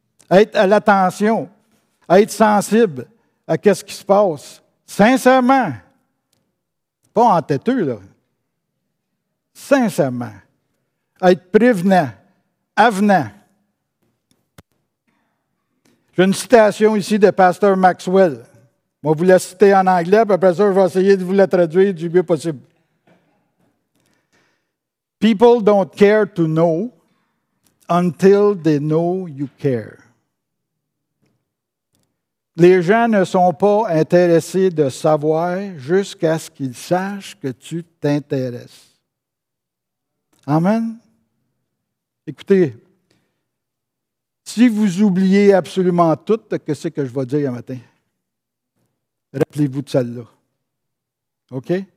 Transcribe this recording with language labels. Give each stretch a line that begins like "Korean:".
French: Être à l'attention. Être sensible à ce qui se passe. Sincèrement. Pas en têteux, là. Sincèrement. Être prévenant, avenant. J'ai une citation ici de Pasteur Maxwell. Je vais vous la citer en anglais, puis après ça, je vais essayer de vous la traduire du mieux possible.
English: People don't care to know until they know you care.
French: Les gens ne sont pas intéressés de savoir jusqu'à ce qu'ils sachent que tu t'intéresses. Amen. Écoutez, si vous oubliez absolument tout, qu'est-ce que je vais dire un matin? Rappelez-vous de celle-là. OK?